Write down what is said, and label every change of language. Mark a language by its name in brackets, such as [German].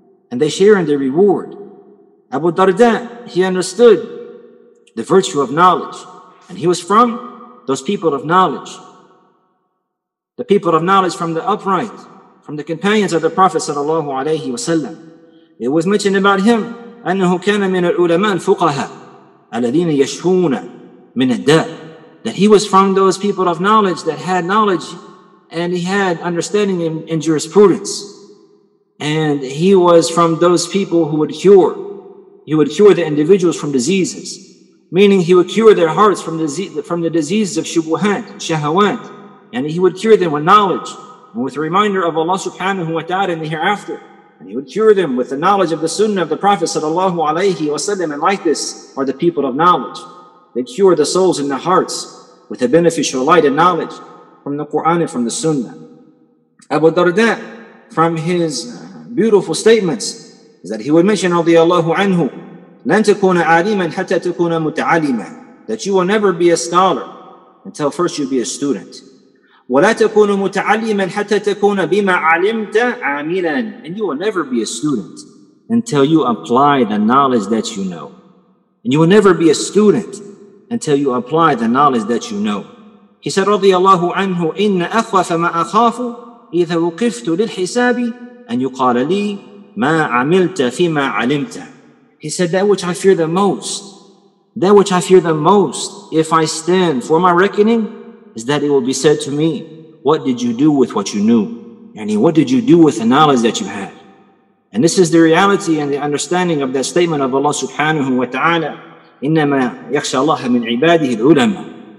[English] And they share in the reward. Abu Darda, he understood the virtue of knowledge. And he was from those people of knowledge. The people of knowledge from the upright, from the companions of the Prophet sallallahu alayhi wa sallam. It was mentioned about him, [Arabic] أنه كان من العلماء الفقهاء الذين يشهون من الداء. [English] That he was from those people of knowledge that had knowledge and he had understanding in jurisprudence. And he was from those people who would cure. He would cure the individuals from diseases. Meaning he would cure their hearts from the diseases of shubuhat, shahawat. And he would cure them with knowledge and with a reminder of Allah subhanahu wa ta'ala in the hereafter. And he would cure them with the knowledge of the sunnah of the Prophet sallallahu alayhi wa sallam. And like this are the people of knowledge. They cure the souls and the hearts with the beneficial light and knowledge from the Quran and from the sunnah. Abu Darda, from his beautiful statements, is that he would mention, radiyallahu anhu, [Arabic] لَن تَكُونَ عَلِيمًا حَتَّى تَكُونَ مُتَعَلِيمًا. [English] That you will never be a scholar until first you be a student. [Arabic] ولا تكون متعلما حتى تكون بما علمت عاملا. [English] And you will never be a student until you apply the knowledge that you know. And you will never be a student until you apply the knowledge that you know. He said, [Arabic] رضي الله عنه, إن أخاف ما أخاف إذا وقفت للحساب أن يقال لي ما عملت فيما علمت. [English] He said, that which I fear the most, that which I fear the most if I stand for my reckoning, is that it will be said to me, what did you do with what you knew? And what did you do with the knowledge that you had? And this is the reality and the understanding of that statement of Allah subhanahu wa ta'ala, [Arabic] إِنَّمَا يَخْشَى اللَّهَ مِنْ عِبَادِهِ الْعُلَمَ.